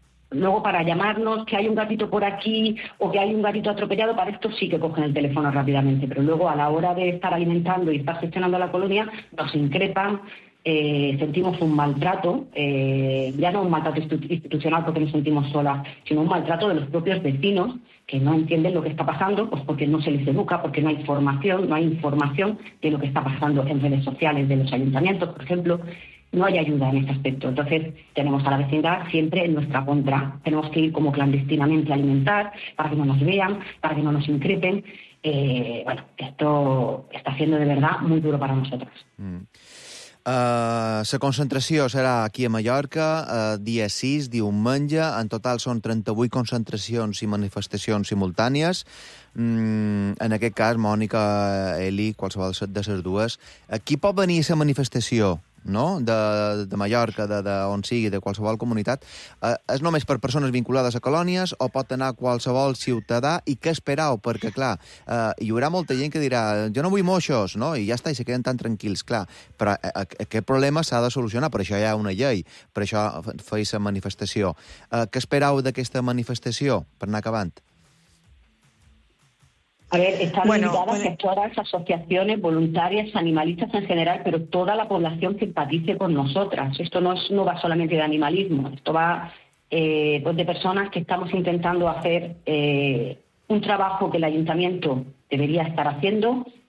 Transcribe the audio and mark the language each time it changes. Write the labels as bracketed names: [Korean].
[Spanish] luego para llamarnos que hay un gatito por aquí o que hay un gatito atropellado, para esto sí que cogen el teléfono rápidamente, pero luego a la hora de estar alimentando y estar gestionando la colonia nos increpan, sentimos un maltrato, ya no un maltrato institucional porque nos sentimos solas, sino un maltrato de los propios vecinos que no entienden lo que está pasando pues porque no se les educa, porque no hay información de lo que está pasando en redes sociales de los ayuntamientos, por ejemplo. No hay ayuda en este aspecto. Entonces, tenemos a la vecindad siempre en nuestra contra. Tenemos que ir como clandestinamente a alimentar para que no nos vean, para que no nos increpen. Bueno, esto está siendo de verdad muy duro para nosotros. [Catalan] La concentració serà aquí a Mallorca, dia 6, diumenge. En total són 38 concentracions i manifestacions simultànies. En aquest cas, Mònica, Eli, qualsevol de les dues. Qui pot venir a la manifestació? No? De Mallorca, de on sigui, de qualsevol comunitat, és només per persones vinculades a colònies o pot anar qualsevol ciutadà? I què esperau? Perquè, clar, hi haurà molta gent que dirà jo no vull moixos, no? I ja està, i se queden tan tranquils, clar. Però aquest problema s'ha de solucionar, per això hi ha una llei, per això feia la manifestació. Què esperau d'aquesta manifestació, per anar acabant? [Spanish] A ver, están invitadas todas las asociaciones voluntarias, animalistas en general, pero toda la población que empatice con nosotras. Esto no va solamente de animalismo, esto va pues de personas que estamos intentando hacer un trabajo que el ayuntamiento debería estar haciendo